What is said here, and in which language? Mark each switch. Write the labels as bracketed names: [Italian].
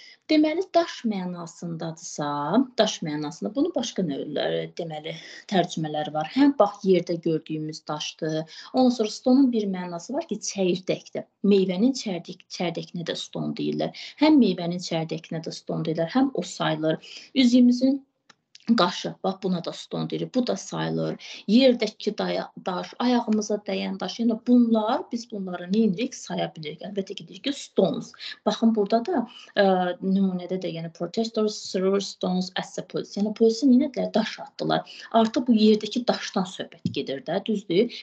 [Azerbaijani] Deməli, daş mənasındadırsa, daş mənasında bunun başqa növlər, deməli, tərcümələr var. Həm bax, yerdə gördüyümüz daşdır. Ondan sonra stonun bir mənası var ki, çəyirdəkdir. Meyvənin çərdəkinə də ston deyirlər. Həm meyvənin çərdəkinə də ston deyirlər, həm o sayılır. Üzümüzün qaşı, bax, buna da ston deyir, bu da sayılır. Yerdəki daş, ayağımıza dəyən daş, yəni bunlar, biz bunları neyindirik, saya bilirik. Əlbəttə ki, deyir ki, stones. Baxın, burada da nümunədə də, yəni [English] protestors threw stones at the police. [Azerbaijani] Yəni, polisi neyindirlər, daş atdılar. Artıq bu yerdəki daşdan söhbət gedir də, düzdür.